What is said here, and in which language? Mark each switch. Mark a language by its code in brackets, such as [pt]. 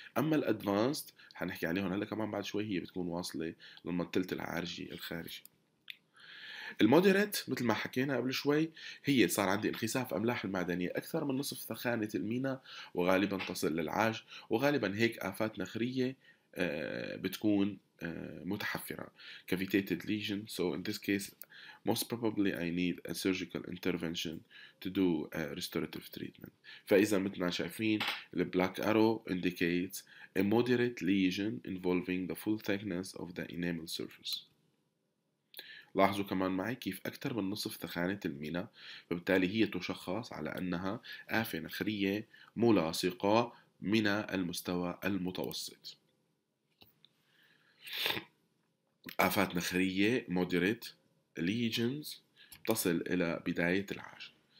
[ar] أما الأدفانسد هنحكي عليهم هلا كمان بعد شوي، هي بتكون واصلة للمنطلة العارجي الخارجي. المودريت مثل ما حكينا قبل شوي هي صار عندي انخساف أملاح المعدنية أكثر من نصف سخانة المينا، وغالبا تصل للعاج، وغالبا هيك آفات نخرية بتكون متحفرة. [en] Cavitated lesion. So in this case, most probably I need a surgical intervention to do a restorative treatment. [ar] فإذا مثل ما شايفين [en] the black arrow indicates a moderate lesion involving the full thickness of the enamel surface. [ar] لاحظوا كمان معي كيف أكثر من نصف سخانة المينا، فبالتالي هي تشخص على أنها آفة نخرية ملاصقة من المستوى المتوسط. آفات نخرية [en] moderate lesions [ar] تصل إلى بداية العاج.